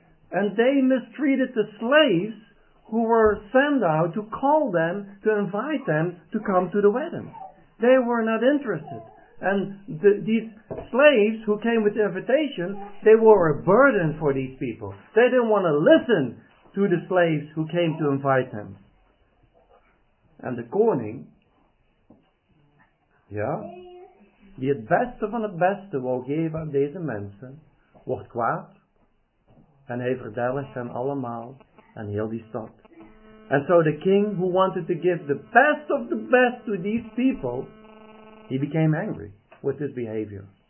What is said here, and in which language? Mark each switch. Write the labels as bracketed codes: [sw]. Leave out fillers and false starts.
[en] And they mistreated the slaves who were sent out to call them, to invite them to come to the wedding. They were not interested. And these slaves who came with the invitation, they were a burden for these people. They didn't want to listen to the slaves who came to invite them. And the [nl] koning, yeah, die het beste van het beste wou geven aan deze mensen, wordt kwaad. En hij verdelgt hen allemaal en heel die stad. [en] And so the king who wanted to give the best of the best to these people, he became angry with his behavior.